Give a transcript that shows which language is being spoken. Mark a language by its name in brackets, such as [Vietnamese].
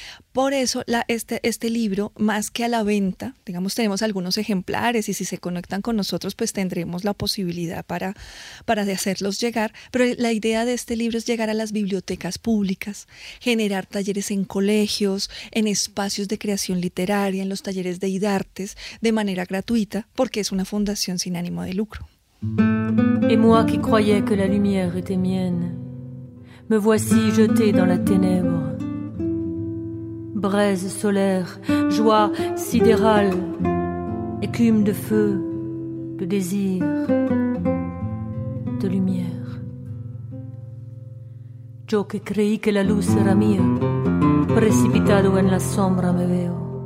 [Spanish] Por eso este libro, más que a la venta, digamos, tenemos algunos ejemplares y si se conectan con nosotros pues tendremos la posibilidad para de hacerlos llegar, pero la idea de este libro es llegar a las bibliotecas públicas, generar talleres en colegios, en espacios de creación literaria, en los talleres de IDARTES, de manera gratuita, porque es una fundación sin ánimo de lucro. [French] Y moi qui croyais que la lumière était mienne, me voici jetée dans la ténèbre. Braise solaire, joie sidérale, écume de feu, de désir, de lumière. [Spanish] Yo que creí que la luz era mía, precipitado en la sombra me veo.